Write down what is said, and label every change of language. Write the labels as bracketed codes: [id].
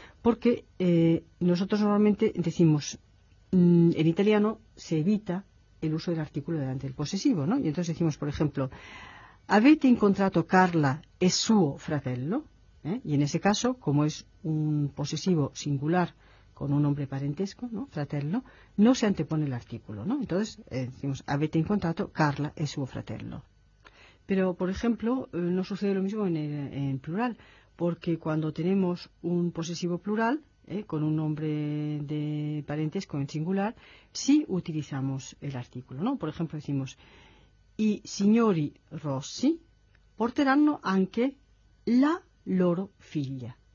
[es] Porque nosotros normalmente decimos, en italiano se evita el uso del artículo delante del posesivo, ¿no? Y entonces decimos, por ejemplo, [it] avete incontrato Carla e suo fratello, [es] ¿eh? Y en ese caso, como es un posesivo singular con un nombre parentesco, ¿no? Fratello, no se antepone el artículo, ¿no? Entonces decimos, [it] avete incontrato Carla e suo fratello. [es] Pero, por ejemplo, no sucede lo mismo en plural, porque cuando tenemos un posesivo plural, con un nombre de parentesco en singular, sí utilizamos el artículo, ¿no? Por ejemplo, decimos, [it] i signori Rossi porteranno anche la loro figlia.